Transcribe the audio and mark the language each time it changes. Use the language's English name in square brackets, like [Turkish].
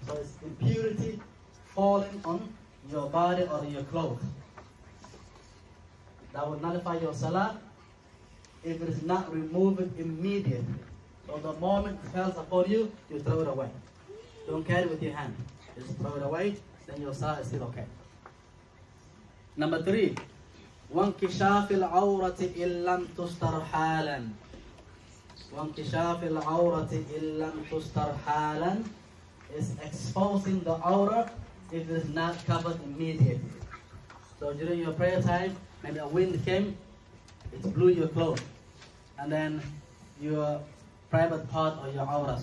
[English] So it's impurity falling on your body or your clothes. That will nullify your salah if it is not removed immediately. So the moment it falls upon you, you throw it away. Don't care with your hand. Just throw it away, then your salah is still okay. Number three, [Arabic] وانكشاف العورة إن لم تستر حالا. وانكشاف العورة إن لم تستر حالا [English] is exposing the aura if it is not covered immediately. So during your prayer time, maybe a wind came, it blew your clothes, and then your private part or your aura.